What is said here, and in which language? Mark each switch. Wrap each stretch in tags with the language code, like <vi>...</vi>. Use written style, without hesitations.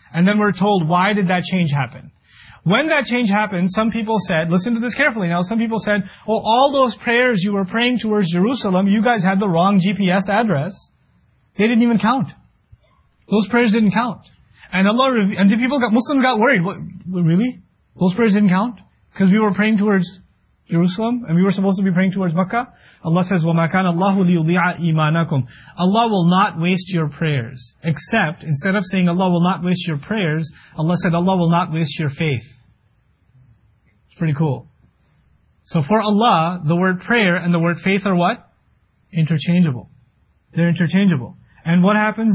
<en>And then we're told, why did that change happen? When that change happened, some people said, listen to this carefully now, some people said, oh, all those prayers you were praying towards Jerusalem, you guys had the wrong GPS address. They didn't even count. Those prayers didn't count. And Muslims got worried. What, really? Those prayers didn't count? Because we were praying towards Jerusalem, and we were supposed to be praying towards Mecca? Allah says,</en> <ar>وَمَا كَانَ اللَّهُ لِيُضِيعَ إِيمَانَكُمْ.</ar> <en>Allah will not waste your prayers. Except, instead of saying Allah will not waste your prayers, Allah said Allah will not waste your faith. It's pretty cool. So for Allah, the word prayer and the word faith are what? Interchangeable. They're interchangeable. And what happens?</en>